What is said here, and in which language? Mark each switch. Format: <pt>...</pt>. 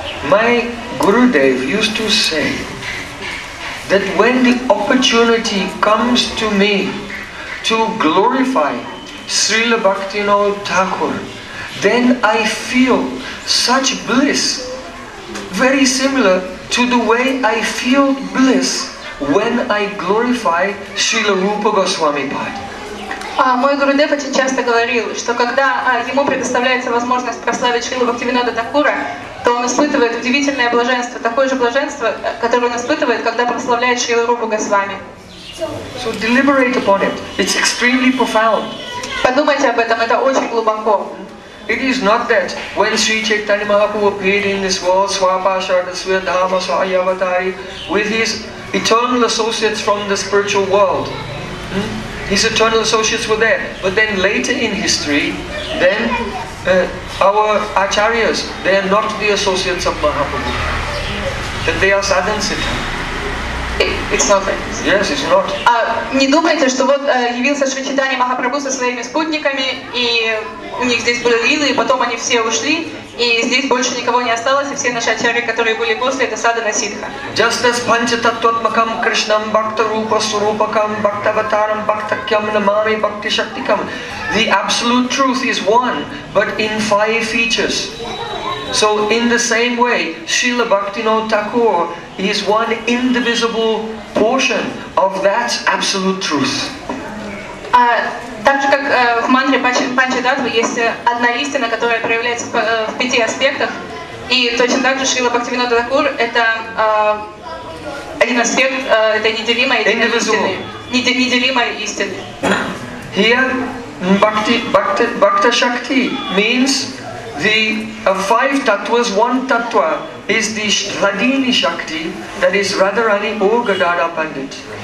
<en>My Gurudev used to say that when the opportunity comes to me to glorify Srila Bhaktivinoda Thakur, then I feel such bliss, very similar to the way I feel bliss when I glorify Srila Rupa Goswami Pad.</en> <ru>Мой Гурудев очень часто говорил, что когда ему предоставляется возможность прославить Шрилу Бхактивинода Такура, то он испытывает удивительное блаженство, такое же блаженство, которое он испытывает, когда прославляет Шрилу Рупу Госвами.</ru> <en>So deliberate upon it. It's extremely profound.</en> <ru>Подумайте об этом, это очень глубоко.</ru> <en>It is not that when Sri Chaitanya Mahaprabhu appeared in this world, Swapashara, Swadhama, Swayavatari, with his eternal associates from the spiritual world, his eternal associates were there, but then later in history, then our acharyas, they are not the associates of Mahaprabhu. That they are sadhan-siddha. It's not that. Yes, it's not.</en> <ru>Не думайте, что вот явился Шри Чайтанья Махапрабху со своими спутниками, и у них здесь были лилы, и потом они все ушли, и здесь больше никого не осталось, и все наши ачарьи, которые были после, это садхана-сиддха.</ru> <en>Just as</en> <sa>панча-таттватмакам кришнам бхакта-рупа-сурупакам бхактаватарам бхактакьям намами бхакти-шактикам.</sa> <en>The absolute truth is one, but in five features. So in the same way, Srila Bhaktivinoda Thakur is one indivisible portion of that absolute truth.</en> <ru>Так же как в мантре Панчадатвы есть одна истина, которая проявляется в пяти аспектах, и точно так же Шрила Бхактивинода Такур — это один аспект этой неделимой истины.</ru> <en>Here, Bhakta Shakti means the five tattvas, one tattva is the Radhini Shakti, that is Radharani or Gadara Pandit.</en>